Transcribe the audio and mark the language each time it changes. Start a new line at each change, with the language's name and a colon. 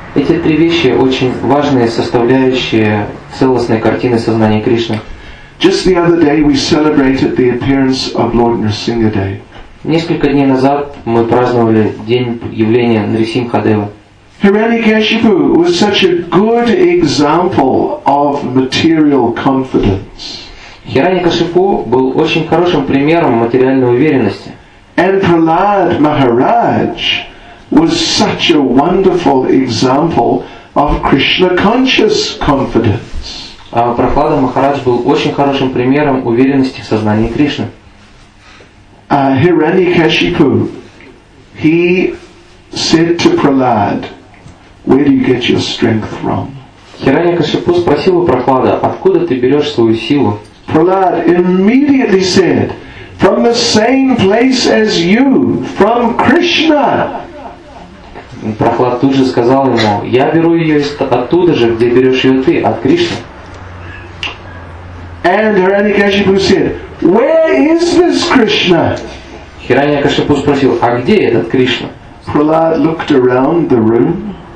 Russian: Эти три вещи очень важные составляющие целостной картины сознания Кришны.
English: Just the other day we celebrated the appearance of Lord Nrisimhadeva.
Russian: Несколько дней назад мы праздновали день явления Нрисимхадева.
English: Hiranyakashipu was such a good example of material confidence.
Russian: Hiranyakashipu был очень хорошим примером материальной уверенности.
English: And Prahlad Maharaj was such a wonderful example of Krishna conscious confidence.
Russian: А Прахлада Махарадж был очень хорошим примером уверенности в сознании Кришны.
English: Hiranyakashipu, he said to Prahlad, where do you get your strength from?
Russian: Hiranyakashipu спросил у Прахлада, откуда ты берешь свою силу?
English: Prahlad immediately said, from the same place as you, from Krishna.
Russian: Прохлад тут же сказал ему, я беру ее оттуда же, где берешь ее ты, от Кришны.
English: And Hiranyakashipu said, where is this Krishna?
Russian: Hiranyakashipu спросил, а где этот Кришна?
English: Prahlad looked around the room.